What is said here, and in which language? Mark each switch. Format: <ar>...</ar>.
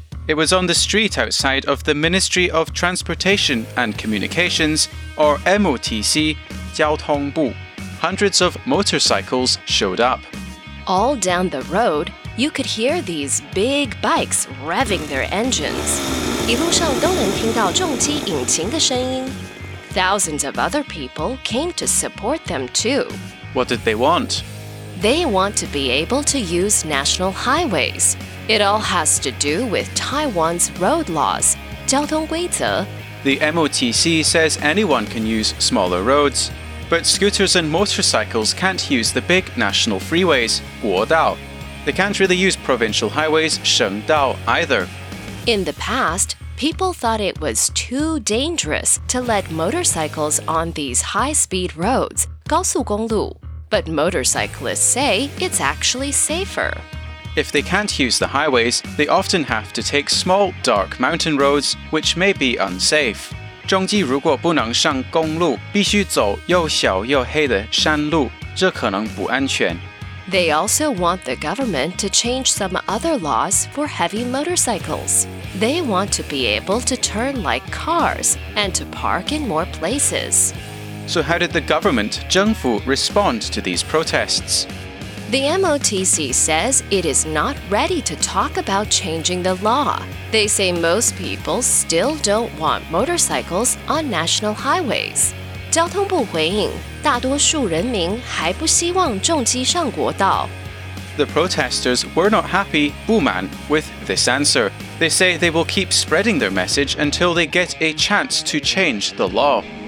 <en>It was on the street outside of the Ministry of Transportation and Communications, or MOTC, 交通部. Hundreds of motorcycles showed up. All down the road,You could hear these big bikes revving their engines.</en> <zh>一路上都能听到重机引擎的声音。</zh> <en>Thousands of other people came to support them too. What did they want? They want to be able to use national highways. It all has to do with Taiwan's road laws, 交通规则。 The MOTC says anyone can use smaller roads, but scooters and motorcycles can't use the big national freeways, 国道。 They can't really use provincial highways, 省道, either. In the past, people thought it was too dangerous to let motorcycles on these high-speed roads, 高速公路. But motorcyclists say it's actually safer. If they can't use the highways, they often have to take small, dark mountain roads, which may be unsafe.</en> <zh>重機如果不能上公路,必須走又小又黑的山路,這可能不安全。</zh> <en>They also want the government to change some other laws for heavy motorcycles. They want to be able to turn like cars and to park in more places. So how did the government, 政府, respond to these protests? The MOTC says it is not ready to talk about changing the law. They say most people still don't want motorcycles on national highways.</en> <zh>交通部回应，大多数人民还不希望重机上国道。</zh> <en>The protesters were not happy, 不满, with this answer. They say they will keep spreading their message until they get a chance to change the law.</en>